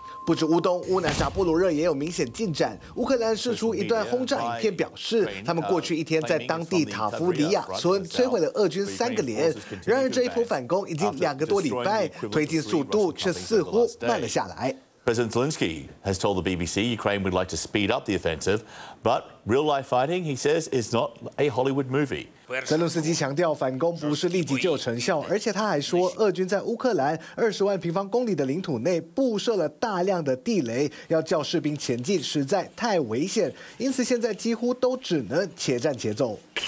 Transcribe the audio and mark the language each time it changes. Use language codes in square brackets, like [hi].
[zh] 不止乌东，乌南扎布鲁热也有明显进展。乌克兰释出一段轰炸影片，表示他们过去一天在当地塔夫里亚村摧毁了俄军三个连。然而这一波反攻已经两个多礼拜，推进速度却似乎慢了下来。 [en] President Zelensky has told the BBC Ukraine would like to speed up the offensive, but real life fighting, he says, is not a Hollywood movie. [zh] 泽伦斯基强调，反攻不是立即就成效，而且他还说，俄军在乌克兰20万平方公里的领土内布设了大量的地雷，要叫士兵前进实在太危险，因此现在几乎都只能且战且走。